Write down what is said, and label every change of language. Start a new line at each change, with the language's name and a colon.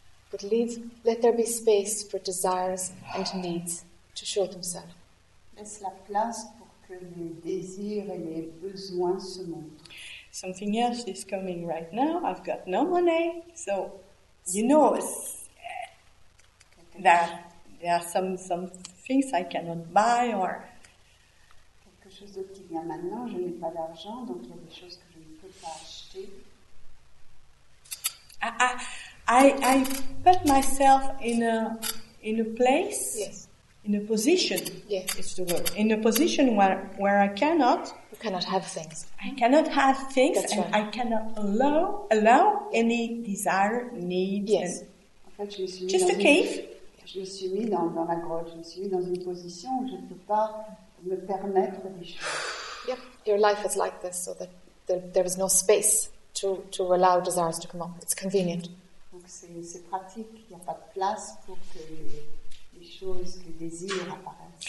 English: But let there be space for desires and needs to show themselves.
French: Laisse la place pour que les désirs et les besoins se montrent.
English: Something else is coming right now. I've got no money, so you know that. There are some things I cannot buy or
French: quelque chose d'autre qui vient maintenant. Je n'ai pas d'argent, donc il y a des choses que je ne peux pas acheter.
English: I put myself in a place, in a position. Yes, it's the word. In a position where I cannot. You cannot have things. I cannot have things. That's and right. I cannot allow any desire, need. Yes. And
French: en fait, je suis
English: just a cave.
French: Je me suis mis dans la grotte. Je me suis mis dans une position où je ne peux pas me permettre des choses.
English: Yep, your life is like this, so that there is no space to allow desires to come up. It's convenient.
French: Donc c'est pratique. Il n'y a pas de place pour que les choses, les désirs apparaissent.